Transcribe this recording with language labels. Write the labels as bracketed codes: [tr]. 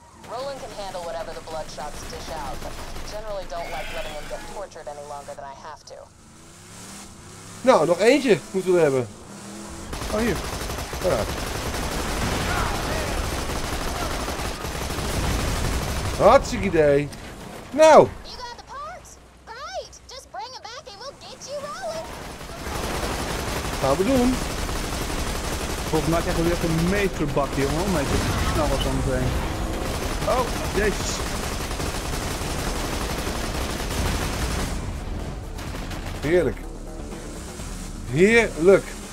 [en] Roland can handle whatever the bloodshots dish out, but generally don't like letting him get tortured any longer than I have to. [nl] Nou, nog eentje moeten we hebben. Oh, hier. Ja. Hartstikke idee. Nou. [en] You got the parts? Great. Just bring them back and we'll get you rolling. [nl] Gaan we doen. Volgens mij krijgen we echt een meterbak, jongen. Met het snel wat aan het heen. Oh, jezus. Heerlijk. Heerlijk.